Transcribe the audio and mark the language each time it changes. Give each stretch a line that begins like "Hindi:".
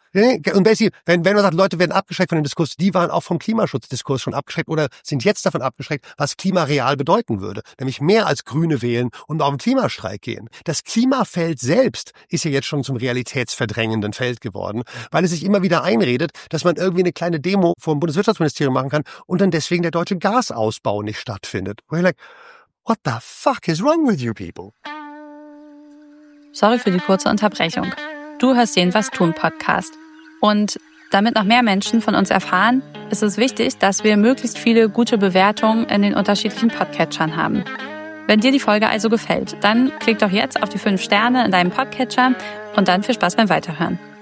German: Und basically, wenn man sagt, Leute werden abgeschreckt von dem Diskurs, die waren auch vom Klimaschutzdiskurs schon abgeschreckt oder sind jetzt davon abgeschreckt, was Klima real bedeuten würde. Nämlich mehr als Grüne wählen und auf den Klimastreik gehen. Das Klimafeld selbst ist ja jetzt schon zum realitätsverdrängenden Feld geworden, weil es sich immer wieder einredet, dass man irgendwie eine kleine Demo vor dem Bundeswirtschaftsministerium machen kann und dann deswegen der deutsche Gasausbau nicht stattfindet.
English: Where you're like, what the fuck is wrong with you people?
German: Sorry für die kurze Unterbrechung. Du hörst den Was-Tun-Podcast. Und damit noch mehr Menschen von uns erfahren, ist es wichtig, dass wir möglichst viele gute Bewertungen in den unterschiedlichen Podcatchern haben. Wenn dir die Folge also gefällt, dann klick doch jetzt auf die 5 Sterne in deinem Podcatcher und dann viel Spaß beim Weiterhören.